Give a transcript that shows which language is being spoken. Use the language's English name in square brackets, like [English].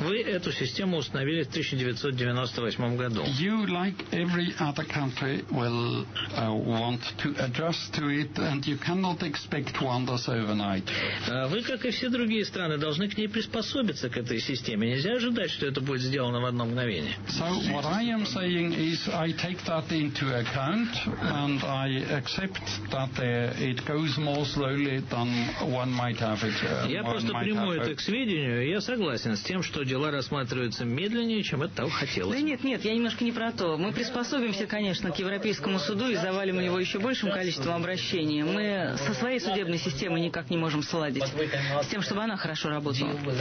[Russian] Вы эту систему установили в 1998 году. [English] You, like every other country, will want to adjust to it, and you cannot expect wonders overnight. [Russian] Вы, как и все другие страны, должны к ней приспособиться, к этой системе. Нельзя ожидать, что это будет сделано в одно мгновение. [English] So what I am saying is, I take that into account, and I accept that it goes more slowly than one. [Russian] Я просто приму это к сведению, и я согласен с тем, что дела рассматриваются медленнее, чем это того хотелось. Да нет, нет, я немножко не про то. Мы приспособимся, конечно, к европейскому суду и завалим у него еще большим количеством обращений. Мы со своей судебной системой никак не можем сладить с тем, чтобы она хорошо работала.